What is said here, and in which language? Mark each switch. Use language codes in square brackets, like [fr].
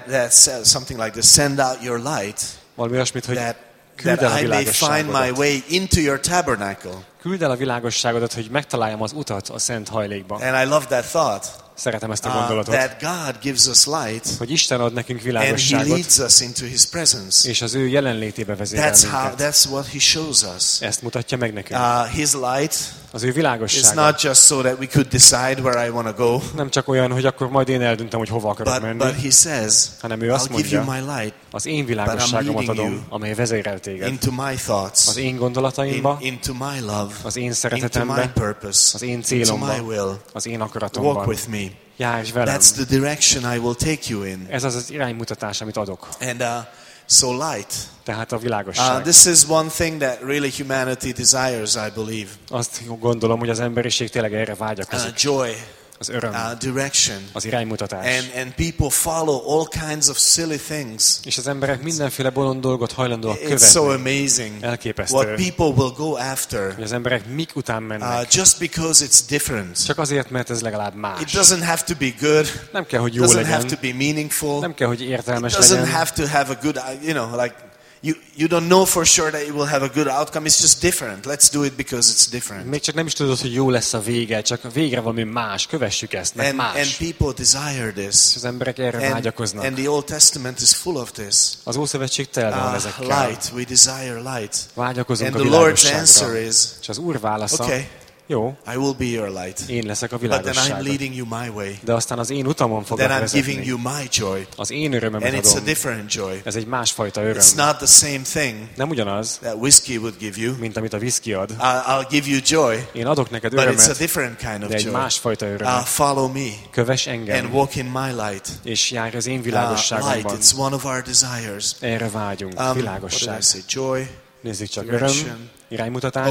[en] that says something like this, send out your light, [hu] valami olyasmit, hogy küld el a világosságodat, [en] that I may find my way into your tabernacle. [hu] Küld el a világosságodat, hogy megtaláljam az utat a szent hajlékba. [en] And I love that thought. [hu] Szeretem ezt a gondolatot. [en] That God gives us light, [hu] hogy Isten ad nekünk világosságot, [en] and he leads us into his presence. [hu] És az ő jelenlétébe vezet el minket. [en] That's what he shows us. [hu] Ezt mutatja meg nekünk. [en] His light, [hu] az ő világossága. [en] It's not just so that we could decide where I want to go. [hu] Nem csak olyan, hogy akkor majd én eldöntem, hogy hova akarok menni. [en] But he says, [hu] hanem ő azt [en] I'll give [hu] mondja, [en] you my light, [hu] az én világosságomat adom, amely vezérel téged. [en] Into my thoughts, [hu] az én gondolataimba, [en] into my love, [hu] az én szeretetembe, [en] into my purpose, [hu] az én célomba, [en] into my will, [hu] az én akaratomban. [en] Walk with me. [hu] Járj velem. [en] That's the direction I will take you in. [hu] Ez az iránymutatás, amit adok. [en] And so light. [hu] Tehát a világosság. [en] This is one thing that really humanity desires, I believe. [hu] Azt gondolom, hogy az emberiség tényleg erre vágyakozik. [en] Joy. [hu] Az öröm. [en] Direction. [hu] Az iránymutatás. [en] And people follow all kinds of silly things. [hu] És az emberek mindenféle bolond dolgot hajlandóak [en] it's [hu] követni. [en] It's so amazing. [hu] Elképesztő. [en] What people will go after. [hu] Hogy az emberek mik után mennek. [en] Just because it's different. [hu] Csak azért, mert ez legalább más. [en] It doesn't have to be good. [hu] Nem kell, hogy jó legyen. [en] It doesn't have to be meaningful. [hu] Nem kell, hogy értelmes legyen. [en] It doesn't have to have a good, you know, like You don't know for sure that it will have a good outcome. It's just different. Let's do it because it's different. [hu] Még csak nem is tudod, hogy jó lesz a vége, csak a végre valami más. Kövessük ezt, mert más. [en] And people desire this. [hu] Az emberek erre vágyakoznak. [en] And the Old Testament is full of this. [hu] Az Ószövetség tele van ezekkel. [en] Light. We desire light. [hu] Vágyakozunk a világosságra. [en] And the Lord's answer is. [hu] És az Úr válasza. [en] Okay. [hu] Jó. [en] I will be your light. [hu] Én leszek a világosságod. [en] But then I'm leading you my way. [hu] De aztán az én utamon fogok vezetni. [en] Then I'm giving you my joy. [hu] Az én örömömet adom. [en] And it's a different joy. [hu] Ez egy másfajta öröm. [en] It's not the same thing. [hu] Nem ugyanaz. [en] That whiskey would give you. [hu] Mint amit a whiskey ad. [en] I'll give you joy. [hu] Én adok neked örömet. [en] But it's a different kind of joy. [hu] De egy másfajta öröm. [en] Follow me. [hu] Kövess engem. [en] And walk in my light. [hu] És járj az én világosságomban. [en] Light. It's one of our desires. [hu] Erre vágyunk. Világosság. [en] What did I say? Joy. [hu] Nézzük csak, öröm, iránymutatás.